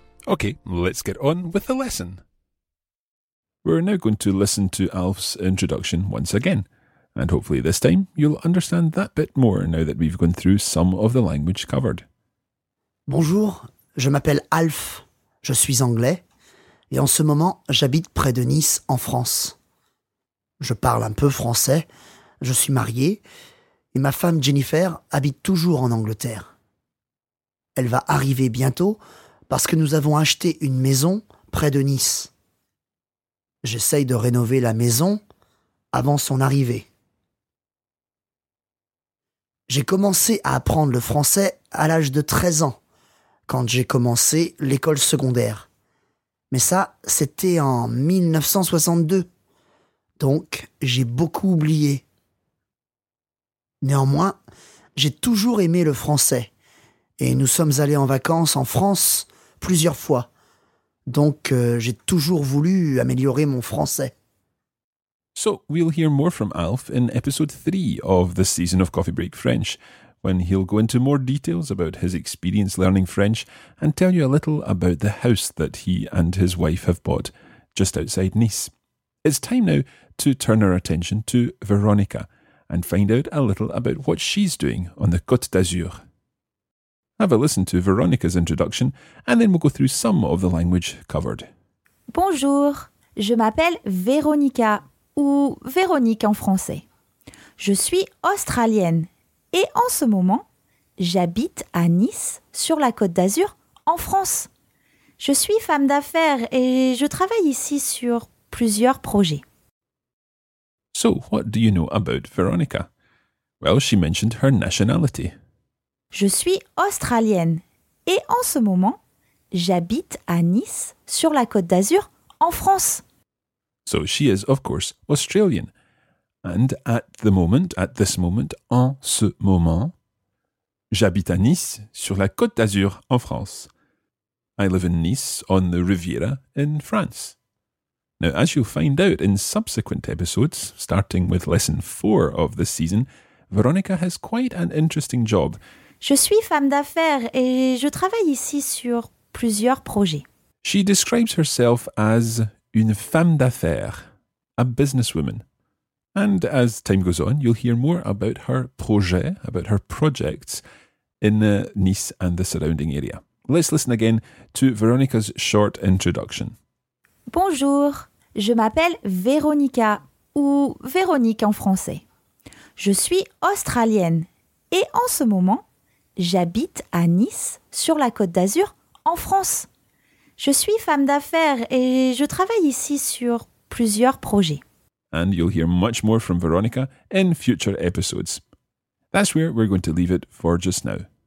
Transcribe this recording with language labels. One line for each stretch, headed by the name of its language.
English: Okay, let's get on with the lesson. We're now going to listen to Alf's introduction once again, and hopefully this time you'll understand that bit more now that we've gone through some of the language covered.
French: Bonjour, je m'appelle Alf, je suis anglais, et en ce moment j'habite près de Nice en France. Je parle un peu français, je suis marié, et ma femme Jennifer habite toujours en Angleterre. Elle va arriver bientôt, parce que nous avons acheté une maison près de Nice. J'essaye de rénover la maison avant son arrivée. J'ai commencé à apprendre le français à l'âge de 13 ans, quand j'ai commencé l'école secondaire. Mais ça, c'était en 1962. Donc, j'ai beaucoup oublié. Néanmoins, j'ai toujours aimé le français. Et nous sommes allés en vacances en France plusieurs fois. Donc, j'ai toujours voulu améliorer mon français.
English: So, we'll hear more from Alf in episode 3 of this season of Coffee Break French, when he'll go into more details about his experience learning French and tell you a little about the house that he and his wife have bought just outside Nice. It's time now to turn our attention to Veronica and find out a little about what she's doing on the Côte d'Azur. Have a listen to Veronica's introduction and then we'll go through some of the language covered.
French: Bonjour, je m'appelle Veronica ou Véronique en français. Je suis australienne et en ce moment, j'habite à Nice sur la Côte d'Azur en France. Je suis femme d'affaires et je travaille ici sur plusieurs projets.
English: So, what do you know about Veronica? Well, she mentioned her nationality.
French: Je suis australienne et en ce moment, j'habite à Nice sur la Côte d'Azur en France.
English: So she is, of course, Australian. And at the moment, at this moment,
French: en ce moment, j'habite à Nice sur la Côte d'Azur en France.
English: I live in Nice on the Riviera in France. Now, as you'll find out in subsequent episodes, starting with lesson 4 of this season, Veronica has quite an interesting job.
French: Je suis femme d'affaires et je travaille ici sur plusieurs projets.
English: She describes herself as
French: une femme d'affaires,
English: a businesswoman. And as time goes on, you'll hear more about her projet, about her projects in Nice and the surrounding area. Let's listen again to Veronica's short introduction.
French: Bonjour, je m'appelle Veronica ou Véronique en français. Je suis australienne et en ce moment, j'habite à Nice, sur la Côte d'Azur, en France. Je suis femme d'affaires et je travaille ici sur plusieurs projets.
English: And you'll hear much more from Veronica in future episodes. That's where we're going to leave it for just now.